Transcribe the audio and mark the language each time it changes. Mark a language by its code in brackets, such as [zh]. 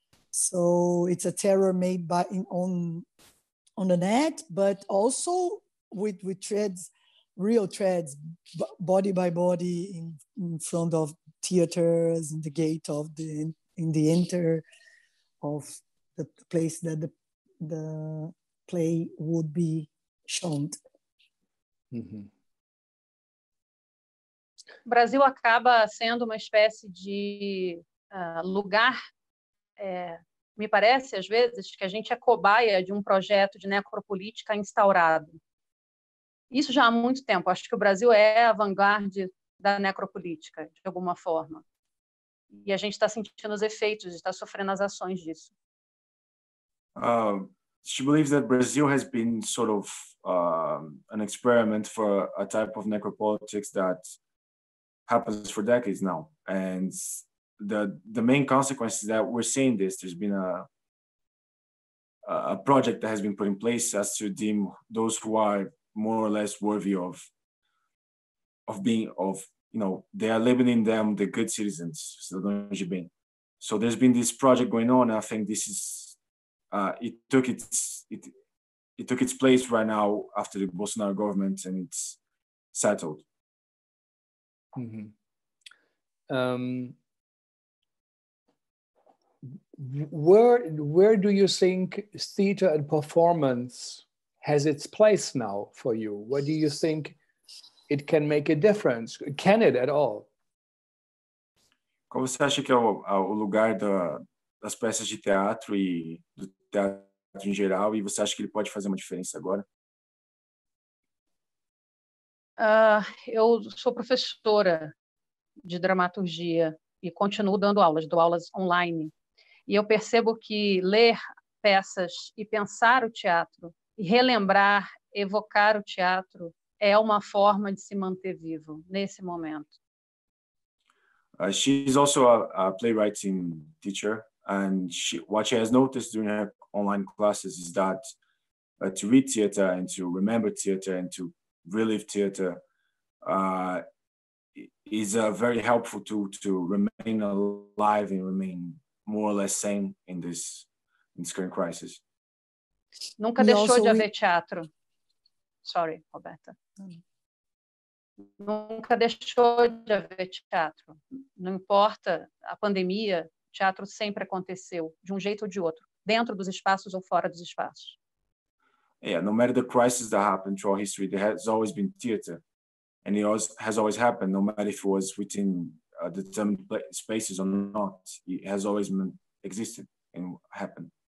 [en] So it's a terror made by on the net, but also with threads, real threads, body by body in front of theaters, in the gate of the, in the enter of the place that the play would be shown. Mm-hmm. [pt] Brasil acaba sendo uma espécie de lugar, me parece, às vezes, que a gente é cobaia de um projeto de necropolítica instaurado. Isso já há muito tempo. Acho que o Brasil é a vanguarda da necropolítica, de alguma forma. E a gente está sentindo os efeitos, está sofrendo as ações disso. [en] She believes that Brazil has been sort of an experiment for a type of necropolitics that happens for decades now. And the main consequence is that we're seeing this. There's been a project that has been put in place as to deem those who are more or less worthy of being, of, you know, they are labeling them the good citizens. So there's been this project going on. I think this is, it took its place right now after the Bolsonaro government, and it's settled. Mm-hmm. Where do you think theater and performance has its place now for you? Where do you think it can make a difference? Can it at all? [pt] Como você acha que é o lugar das peças de teatro e do teatro em geral, e você acha que ele pode fazer uma diferença agora? Eu sou professora de dramaturgia e continuo dou aulas online. E eu percebo que ler peças e pensar o teatro, e relembrar, evocar o teatro, é uma forma de se manter vivo nesse momento. [en] She's also a playwriting teacher, and what she has noticed during her online classes is that to read theater and to remember theater and to relive theater is a very helpful tool to remain alive and remain more or less sane in this current crisis. [pt] Nunca deixou de haver teatro. [en] Sorry, Roberta. [pt] Nunca deixou de haver teatro. Não importa a pandemia, teatro sempre aconteceu, de jeito ou de outro. Dentro dos espaços ou fora dos espaços. [en] Yeah, no matter the crisis that happened throughout history, there has always been theater. And it has always happened, no matter if it was within determined spaces or not. It has always existed and happened.